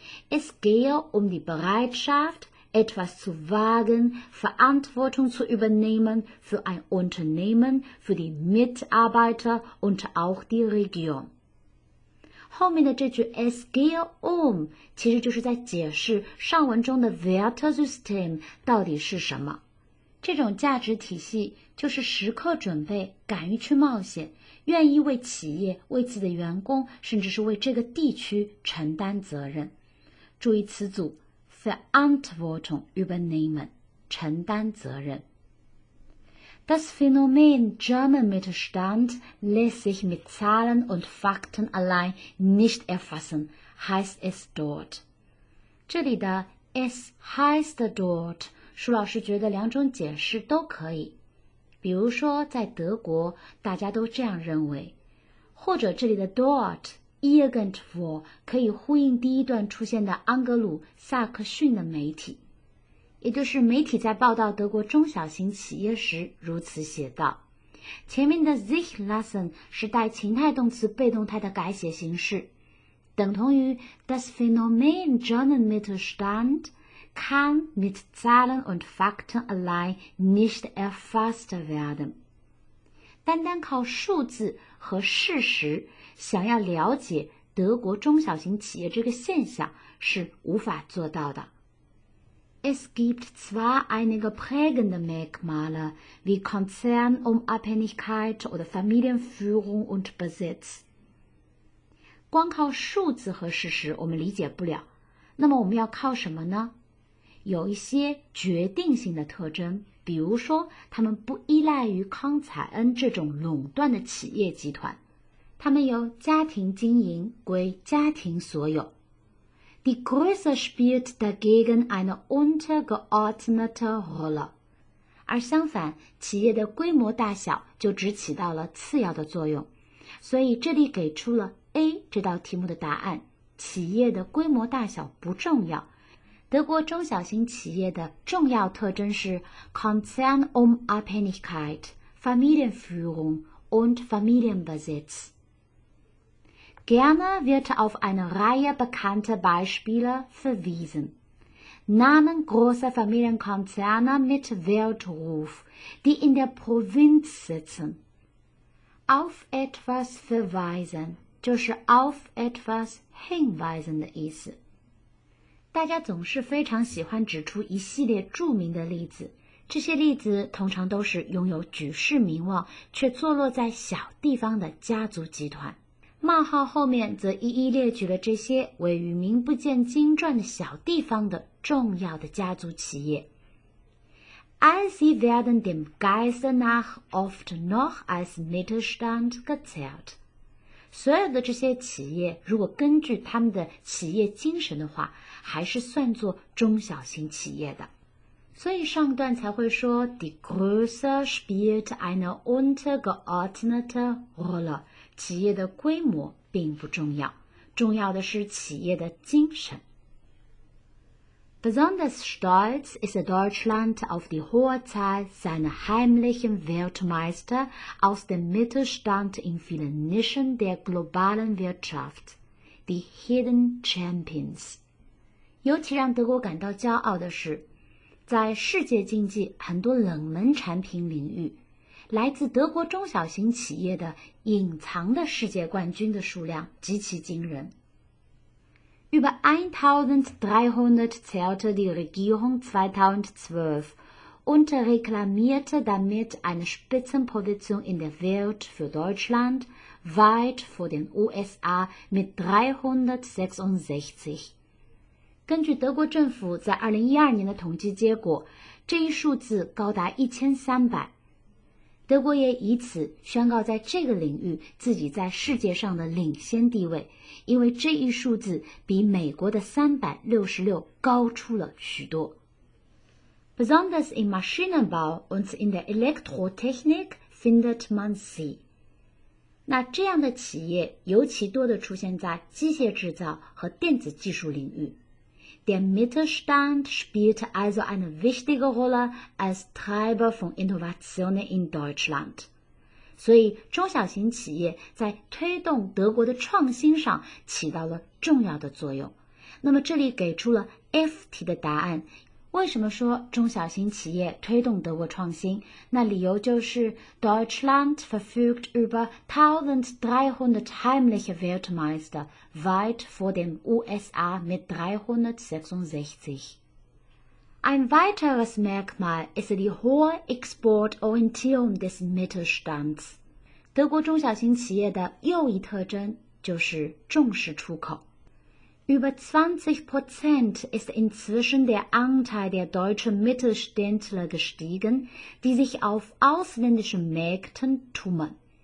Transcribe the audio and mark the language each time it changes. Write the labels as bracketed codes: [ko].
[de] Es gehe die Bereitschaft, etwas zu wagen, Verantwortung zu übernehmen für ein Unternehmen, für die Mitarbeiter und auch die Region. [zh] 后面的这句 [de] Es gehe [zh] 其实就是在解释上文中的 Wertesystem 到底是什么。这种价值体系就是时刻准备敢于去冒险，愿意为企业、为自己的员工，甚至是为这个地区承担责任。注意词组 [de] Verantwortung übernehmen， [zh] 承担责任。 [de] Das Phänomen German Mittelstand lässt sich mit Zahlen und Fakten allein nicht erfassen, heißt es dort. [zh] 这里的 [de] es heißt dort， [zh] 舒老师觉得两种解释都可以。比如说在德国大家都这样认为，或者这里的 [de] dort Irgendwo [zh] 可以呼应第一段出现的安格鲁萨克逊的媒体，也就是媒体在报道德国中小型企业时如此写道。前面的 [de] sich lassen [zh] 是带情态动词被动态的改写形式，等同于 [de] das Phänomen German Mittelstand kann mit Zahlen und Fakten allein nicht erfasst werden。 [zh] 单单靠数字和事实想要了解德国中小型企业这个现象是无法做到的。 [de] Es gibt zwar einige prägende Merkmale wie Konzernunabhängigkeit oder Familienführung und Besitz. [zh] 光靠数字和事实我们理解不了，那么我们要靠什么呢？有一些决定性的特征，比如说他们不依赖于康采恩这种垄断的企业集团，他们由家庭经营归家庭所有。 [de] Die Größe spielt dagegen eine untergeordnete Rolle. [zh] 而相反，企业的规模大小就只起到了次要的作用。所以这里给出了 A 这道题目的答案，企业的规模大小不重要。德国中小型企业的重要特征是 [de] Konzernunabhängigkeit, Familienführung und Familienbesitz. Gerne wird auf eine Reihe bekannter Beispiele verwiesen. Namen großer Familienkonzerne mit Weltruf, die in der Provinz sitzen. Auf etwas verweisen, [zh] 就是 [de] auf etwas hinweisen [zh] 的意思。大家总是非常喜欢指出一系列著名的例子，这些例子通常都是拥有举世名望却坐落在小地方的家族集团。冒号后面则一一列举了这些位于名不见经传的小地方的重要的家族企业。 [de] Als sie werden dem Geiste nach oft noch als Mittelstand gezählt. [zh] 所有的这些企业如果根据他们的企业精神的话还是算作中小型企业的。所以上段才会说 [de] Die Größe spielt eine untergeordnete Rolle. [zh] 企业的规模并不重要，重要的是企业的精神。 [de] Besonders stolz ist Deutschland auf die hohe Zahl seiner heimlichen Weltmeister aus dem Mittelstand in vielen Nischen der globalen Wirtschaft, die Hidden Champions. [zh] 尤其让德国感到骄傲的是，在世界经济很多冷门产品领域，来自德国中小型企业的隐藏的世界冠军的数量极其惊人。 [de] Über 1300 zählte die Regierung 2012 und reklamierte damit eine Spitzenposition in der Welt für Deutschland weit vor den USA mit 366. [zh] 根据德国政府在2012年的统计结果，这一数字高达1300。德国也以此宣告在这个领域自己在世界上的领先地位，因为这一数字比美国的366高出了许多。 [de] Besonders im Maschinenbau und in der Elektrotechnik findet man sie. [zh] 那这样的企业尤其多地出现在机械制造和电子技术领域。 [de] Der Mittelstand spielt also eine wichtige Rolle als Treiber von Innovationen in Deutschland. [zh] 所以中小型企业在推动德国的创新上起到了重要的作用。那么这里给出了 F 题的答案。为什么说中小型企业推动德国创新？那理由就是 [de] Deutschland verfügt über 1300 heimliche Weltmeister weit vor den USA mit 366. Ein weiteres Merkmal ist die hohe Exportorientierung des Mittelstands. [zh] 德国中小型企业的又一特征就是重视出口。 [de] Über 20% ist inzwischen der Anteil der deutschen Mittelständler gestiegen, die sich auf ausländischen Märkten tummeln.